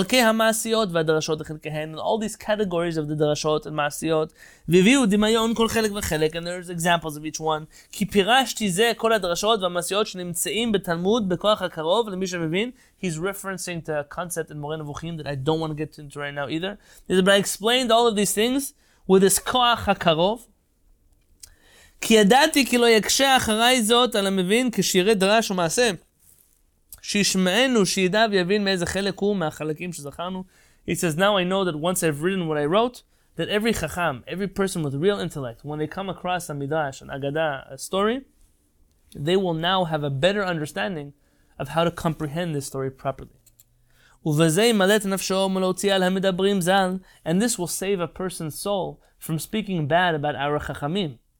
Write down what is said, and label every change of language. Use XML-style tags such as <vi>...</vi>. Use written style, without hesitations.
<en>And I say, in all these categories of the Darashot and Ma'asiyot, and there's examples of each one.</en> <he>כי פירשתי זה כל הדרשות והמעשיות שנמצאים בתלמוד בכוח הקרוב למי שמבין.</he> <en>He's referencing to a concept in Moreh Nevuchim that I don't want to get into right now either. But I explained all of these things with this כוח הקרוב.</en> <he>כי ידעתי כי לא יקשה אחרי זאת על המבין כשירא דרש ומעשה. שישמענו שידע ויבין מאיזה חלק הוא מהחלקים שזכרנו.</he> <en>He says, now I know that once I've written what I wrote, that every chacham, every person with real intellect, when they come across a midrash, an agadah, a story, they will now have a better understanding of how to comprehend this story properly. And this will save a person's soul from speaking bad about our chachamim.</en>